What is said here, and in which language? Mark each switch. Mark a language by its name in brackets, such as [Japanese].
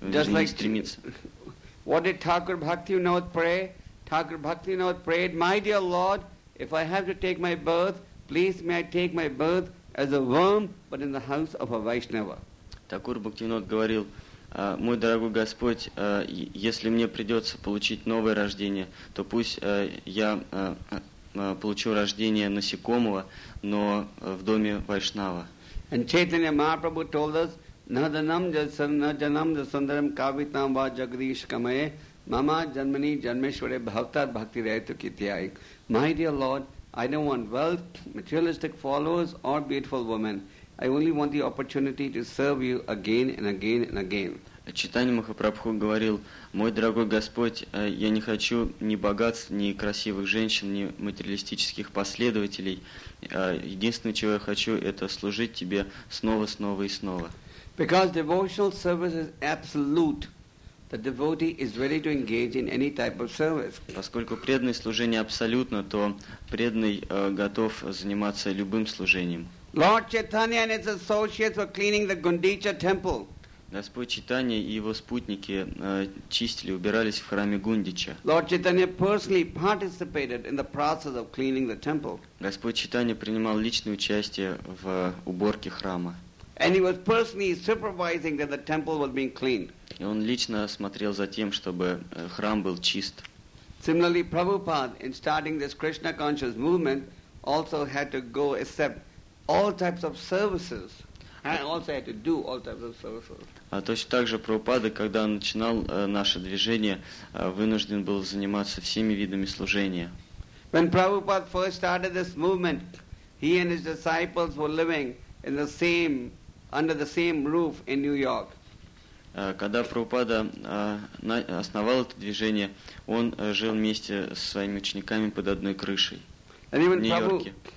[English] just [Russian] не [English] like [Russian] стремится. [English] What did Thakur Bhaktivinod pray? Thakur Bhaktivinod prayed, "My dear Lord, if I have to take my birth, please may I take my birth as a worm, but in the house of a Vaishnava." [Russian] Thakur Bhaktivinod говорил, мой дорогой Господь, если мне придется получить новое рождение, то пусть я получу рождение насекомого, но в доме Вайшнава. [English] And Chaitanya Mahaprabhu told us, [Sanskrit] Nadanam jasan, najanam jasandaram kavitam va jagadish kamaye, mama janmani janmeshware bhaktar bhakti rehtu kityai. [English] My dear Lord, I don't want wealth, materialistic followers or beautiful women. I only want the opportunity to serve you again and again and again. [Russian] Чайтанья Махапрабху говорил, мой дорогой Господь, я не хочу ни богатств, ни красивых женщин, ни материалистических последователей. Единственное, чего я хочу, это служить тебе снова, снова и снова. [English] Because devotional service is absolute, the devotee is ready to engage in any type of service. [Russian] Поскольку преданное служение абсолютно, то преданный готов заниматься любым служением. [English] Lord Chaitanya and his associates were cleaning the Gundicha temple. [Russian] Господь Чайтанья и его спутники чистили, убирались в храме Гундича. [English] Lord Chaitanya personally participated in the process of cleaning the temple. [Russian] Господь Чайтанья принимал личное участие в уборке храма. [English] And he was personally supervising that the temple was being cleaned. [Russian] И он лично смотрел за тем, чтобы храм был чист. [English] Similarly, Prabhupada, in starting this Krishna conscious movement, also had to go accept all types of services. I also had to do all types of services. [Russian] Точно так же Прабхупада, когда он начинал наше движение, вынужден был заниматься всеми видами служения. [English] When Prabhupada first started this movement, he and his disciples were living in the same, under the same roof in New York. [Russian] Когда Прабхупада основал это движение, он жил вместе со своими учениками под одной крышей в Нью-Йорке.